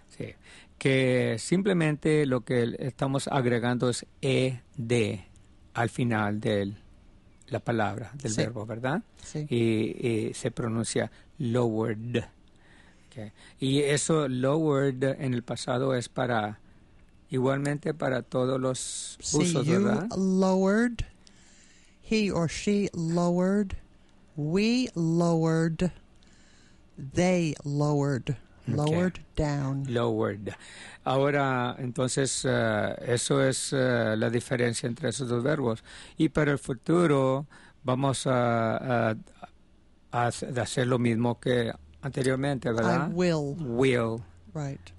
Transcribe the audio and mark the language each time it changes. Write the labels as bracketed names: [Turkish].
[Spanish] Sí, que simplemente lo que estamos agregando es ed al final de la palabra, del sí. verbo, ¿verdad? Sí. Y se pronuncia lowered. Okay. Y eso, lowered, en el pasado es para, igualmente para todos los usos, [English] see, [Spanish] ¿verdad? [English] You lowered, he or she lowered, we lowered, they lowered. Lowered down. Lowered. [Spanish] Ahora, entonces, eso es la diferencia entre esos dos verbos. Y para el futuro vamos a hacer lo mismo que anteriormente, ¿verdad? [English] I will. Will. Right.